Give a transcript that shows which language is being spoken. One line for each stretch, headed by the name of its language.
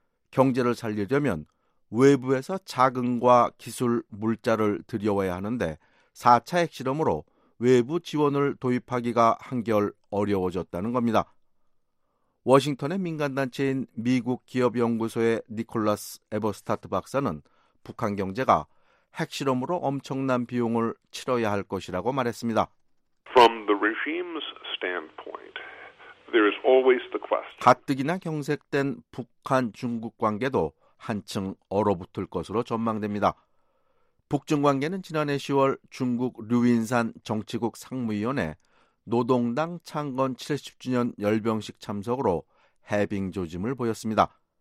Korean: 경제를 살리려면 외부에서 자금과 기술, 물자를 들여와야 하는데 4차 핵실험으로 외부 지원을 도입하기가 한결 어려워졌다는 겁니다. 워싱턴의 민간단체인 미국기업연구소의 니콜라스 에버스타트 박사는 북한 경제가 핵실험으로 엄청난 비용을 치러야 할 것이라고 말했습니다.
English: From the regime's standpoint, there is always the question.
Korean: 가뜩이나 경색된 북한 중국 관계도 한층 얼어붙을 것으로 전망됩니다. 북중 관계는 지난해 10월 중국 류인산 정치국 상무위원회 노동당 창건 70주년 열병식 참석으로 해빙 조짐을 보였습니다.